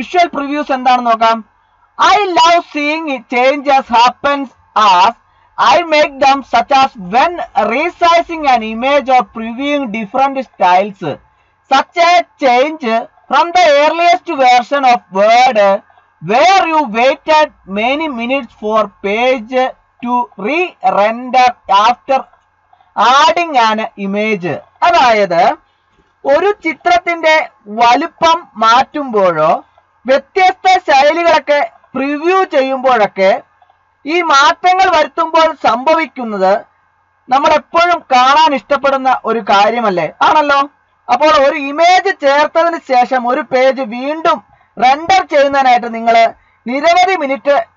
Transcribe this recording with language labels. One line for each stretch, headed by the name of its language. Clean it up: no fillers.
Malayalam: Previews എന്താണെന്ന് നോക്കാം
English: I love seeing changes happens as I make them such as when resizing an image or previewing different styles. Such a change from the earliest version of Word where you waited many minutes for page to re-render after adding an image.
Malayalam: അതായത് ഒരു ചിത്രത്തിന്റെ വലുപ്പം മാറ്റുമ്പോഴോ വ്യത്യസ്ത ശൈലികളൊക്കെ preview ചെയ്യുമ്പോഴൊക്കെ ഈ മാറ്റങ്ങൾ വരുത്തുമ്പോൾ സംഭവിക്കുന്നത് നമ്മൾ എപ്പോഴും കാണാൻ ഇഷ്ടപ്പെടുന്ന ഒരു കാര്യമല്ലേ ആണല്ലോ അപ്പോൾ ഒരു ഇമേജ് ചേർത്തതിന് ശേഷം ഒരു പേജ് വീണ്ടും റെൻഡർ ചെയ്യുന്നതിനായിട്ട് നിങ്ങൾ നിരവധി മിനിറ്റ്